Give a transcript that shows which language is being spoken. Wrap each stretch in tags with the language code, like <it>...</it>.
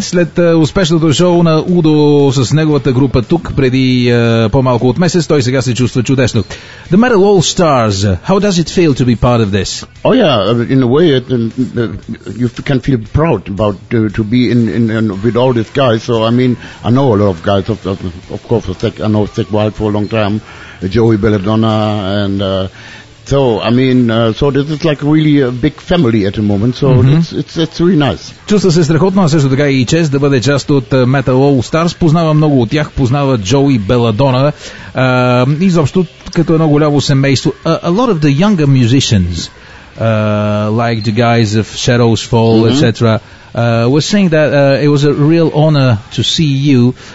<bg>След успешното шоу на Удо с неговата група тук преди по-малко от месец, той сега се чувства чудесно.</bg> <en>The Metal All Stars, how does it feel to be part of this? Oh, yeah, in a way, you can feel proud about to be in with all these guys. So, I mean, I know a lot of guys, of course, I know Zach Wild for a long time, Joey Belladonna, and... So this is like really a big family at the moment. So mm-hmm. it's really nice.</en> <bg>Чувства се страхотно, а също така и чест да бъде част от Metal All Stars. Познава много от тях, познава Joey Belladonna. Изобщо като едно голямо семейство.</bg> <en>A lot of the younger musicians, like the guys of Shadows Fall, mm-hmm. etc., were saying that it was a real honor to see you.</en>